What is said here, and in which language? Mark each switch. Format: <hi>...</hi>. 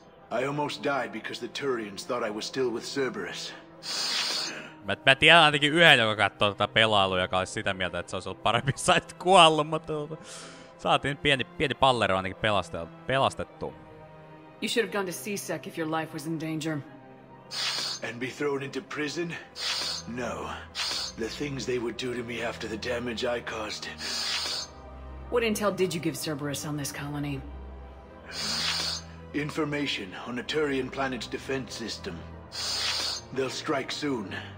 <en>I almost died because the Turians thought I was still with Cerberus.</en> <fi>Mä tiedän ainakin yhden, joka katsoo tätä pelailua, joka olisi sitä mieltä, että se olisi ollut parempi, sä et kuollut, mutta saatiin pieni pallero ainakin pelastettu.</fi> <en>You should have gone to CSEC if your life was in danger. And be thrown into prison? No. The things they would do to me after the damage I caused. What intel did you give Cerberus on this colony? Information on a Turian planet's defense system. They'll strike soon.</en>